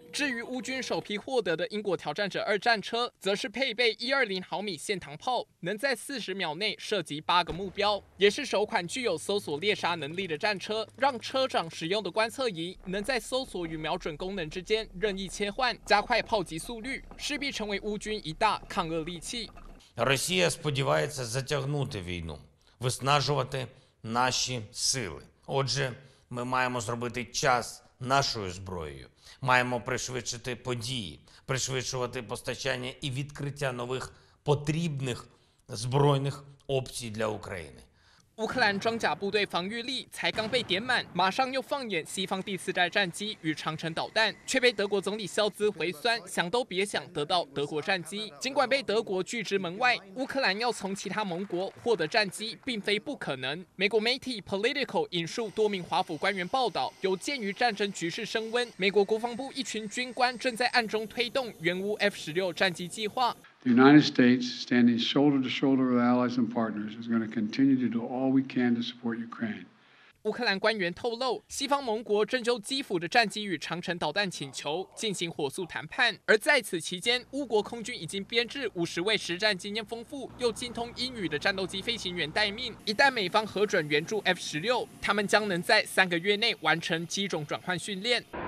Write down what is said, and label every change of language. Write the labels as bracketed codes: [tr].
[zh] 至于乌军首批获得的英国挑战者二战车，则是配备120毫米线膛炮，能在40秒内射击八个目标，也是首款具有搜索猎杀能力的战车，让车长使用的观测仪能在搜索与瞄准功能之间任意切换，加快炮击速率，势必成为乌军一大抗俄利器。 [uk] Росія сподівається затягнути війну, виснажувати наші сили. Отже, ми маємо зробити час нашою зброєю, маємо пришвидшити події, пришвидшувати постачання і відкриття нових потрібних збройних опцій для України. [zh] 乌克兰装甲部队防御力才刚被点满，马上又放眼西方第四代战机与长城导弹，却被德国总理肖兹回酸，想都别想得到德国战机。尽管被德国拒之门外，乌克兰要从其他盟国获得战机并非不可能。美国媒体 Political 引述多名华府官员报道，有鉴于战争局势升温，美国国防部一群军官正在暗中推动援乌 F-16 战机计划。 [en] The United States, standing shoulder to shoulder with allies and partners, is going to continue to do all we can to support Ukraine. [zh] 乌克兰官员透露，西方盟国正就基辅的战机与长城导弹请求进行火速谈判。而在此期间，乌国空军已经编制50位实战经验丰富又精通英语的战斗机飞行员待命。一旦美方核准援助 F-16，他们将能在三个月内完成机种转换训练。